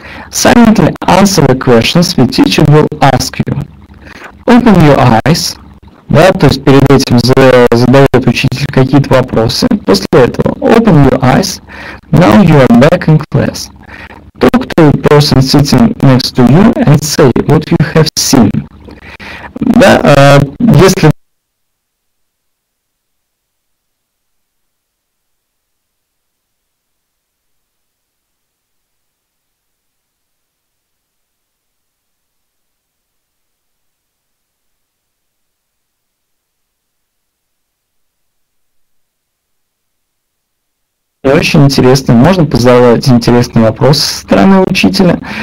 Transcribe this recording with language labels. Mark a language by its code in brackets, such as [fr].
[en] Silently answer the questions the teacher will ask you. Open your eyes. [ru] Да, то есть перед этим задает учитель какие-то вопросы. После этого [en] open your eyes. Now you are back in class. Talk to the person sitting next to you and say what you have seen. [ru] Да, если очень интересно, можно позадавать интересные вопросы со стороны учителя,